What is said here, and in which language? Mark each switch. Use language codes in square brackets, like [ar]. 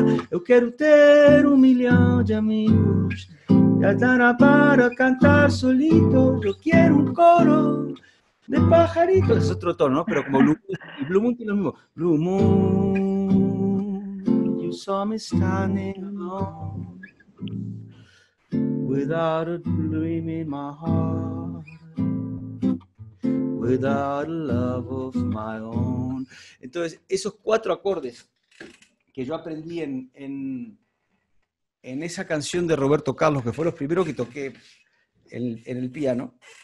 [es] Yo quiero tener un millón de amigos, ya dará para cantar solito, yo quiero un coro de pajaritos. Es otro tono, ¿no? Pero como Blue Moon tiene lo mismo. [en] Blue Moon, you saw me standing alone, without a dream in my heart, without a love of my own. [es] Entonces, esos cuatro acordes que yo aprendí en esa canción de Roberto Carlos, que fue los primeros que toqué en el piano,